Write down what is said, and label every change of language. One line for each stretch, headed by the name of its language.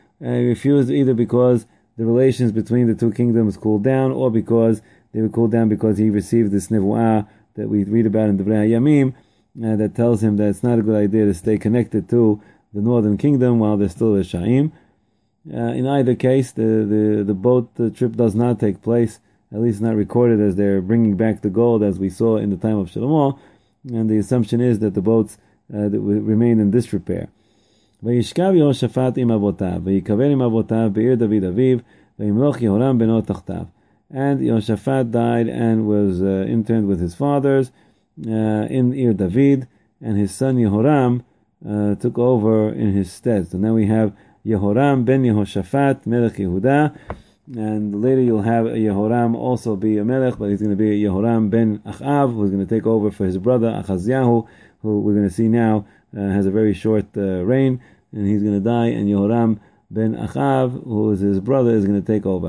English: And he refused either because the relations between the two kingdoms cooled down, or because they were cooled down because he received this nevuah that we read about in Devarei HaYamim, that tells him that it's not a good idea to stay connected to the northern kingdom while they're still Rishaim. In either case, the boat trip does not take place, at least not recorded as they're bringing back the gold, as we saw in the time of Shlomo, and the assumption is that the boats remain in disrepair.
Hebrew: וישכב יהושפט עם אבותיו, ויקבל עם אבותיו בעיר דוד אביו, וימלוך יהורם בנו תחתיו.
English: And Yehoshaphat died and was interned with his fathers in עיר דוד, and his son Yehoram took over in his stead. So now we have Yehoram ben Yehoshaphat, Melech Yehuda, and later you'll have Yehoram also be a Melech, but he's going to be Yehoram ben Achav, who's going to take over for his brother Achaziahu, who we're going to see now has a very short reign, and he's going to die, and Yehoram ben Achav, who is his brother, is going to take over.